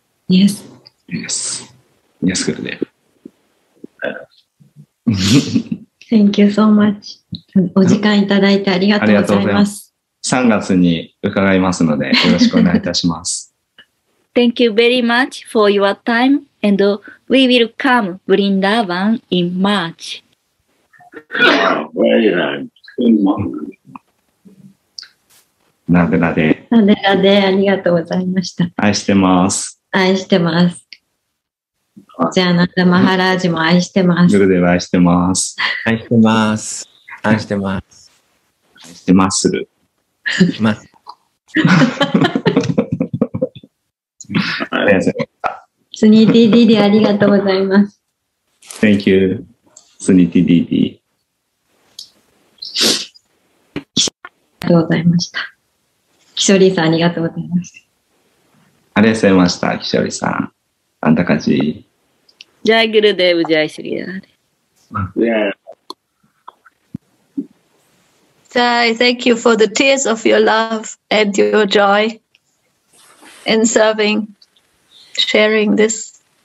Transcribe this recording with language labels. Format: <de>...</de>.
<en>Yes. Yes. Yes, Gurudev. Thank you so much.</en> <ja>お時間いただいてありがとうございます。 3月に伺いますのでよろしくお願いいたします。</ja> <en>Thank you very much for your time and we will come Vrindavan in March. Very nice.</en> <ja>なでなで。なでなでありがとうございました。愛してます。愛してます。じゃあ、なんだ、マハラージも愛してます。グルデは愛してます。愛してます。愛してます。愛してます。ます。ありがとうございます。スニーティーディーディーありがとうございます。</ja> <en>Thank you, スニーティーディーディー。</en> <ja>ありがとうございました。キショリーさん、ありがとうございました。ありがとうございました、キショリーさん。あんたかじ。</ja> <hi>ジャイグルデーブジャイシュリアーレ。</hi> <en>Yeah. I thank you for the tears of your love and your joy in serving, sharing this.</en>